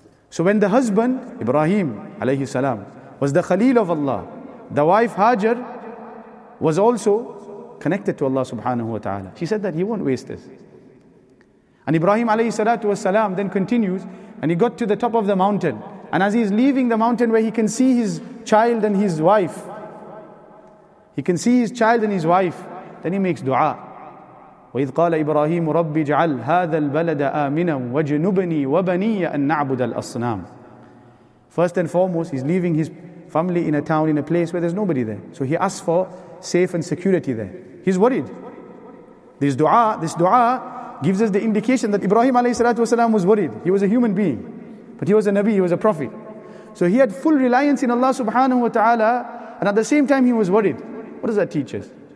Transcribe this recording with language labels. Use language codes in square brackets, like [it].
[en] So when the husband, Ibrahim alayhi salam, was the Khalil of Allah, the wife Hajar was also connected to Allah subhanahu wa ta'ala. She said that he won't waste us. And Ibrahim alayhi salatu wasalam then continues and he got to the top of the mountain. And as he's leaving the mountain where he can see his child and his wife, he can see his child and his wife, then he makes dua. [ar] وَإِذْ قَالَ إِبْرَاهِيمُ رَبِّ جَعَلْ هَذَا الْبَلَدَ آمِنًا وَجْنُبْنِي وَبَنِيَّ أَنْ نَعْبُدَ الْأَصْنَامِ. [en] First and foremost, he's leaving his family in a town, in a place where there's nobody there. So he asks for safe and security there. He's worried. This dua gives us the indication that Ibrahim alayhi salatu wasalam was worried. He was a human being, but he was a Nabi, he was a prophet. So he had full reliance in Allah subhanahu wa ta'ala, and at the same time he was worried. What does that teach us?